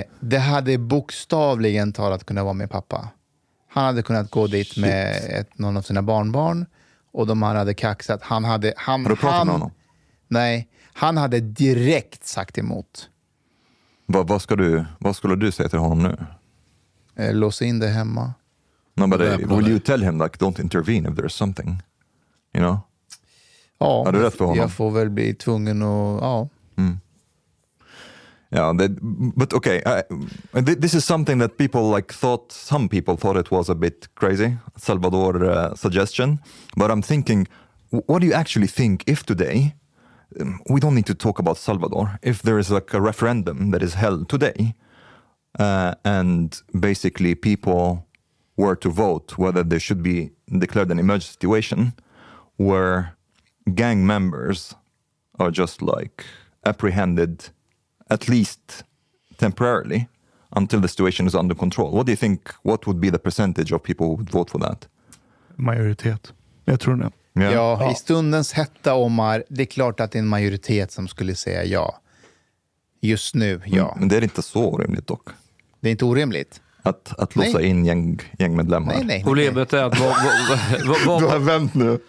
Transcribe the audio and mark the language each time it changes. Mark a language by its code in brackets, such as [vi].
[sv] Det hade bokstavligen talat kunna vara med pappa. Han hade kunnat gå dit med någon av sina barnbarn. Och de hade kaxat. Har du pratat med honom? Nej, han hade direkt sagt emot. Vad skulle du säga till honom nu? Lås in det hemma. [en] No, but will you tell him, like, don't intervene if there is something? You know? [sv] Ja, är du rätt för honom? Jag får väl bli tvungen att... Ja. [en] Mm. Yeah, but okay. This is something that people some people thought it was a bit crazy, Salvador suggestion. But I'm thinking, what do you actually think if today, we don't need to talk about Salvador, if there is a referendum that is held today, and basically people were to vote whether there should be declared an emergency situation, where gang members are just apprehended. At least temporarily, until the situation is under control. What do you think, what would be the percentage of people who would vote for that? [sv] Majoritet. Jag tror det. [en] Yeah. [sv] Ja, i stundens hetta, Omar, det är klart att det är en majoritet som skulle säga ja. Just nu, ja. Men det är inte så orimligt dock. Det är inte orimligt? Att låsa in gängmedlemmar. Nej. Problemet är att... du har vänt nu.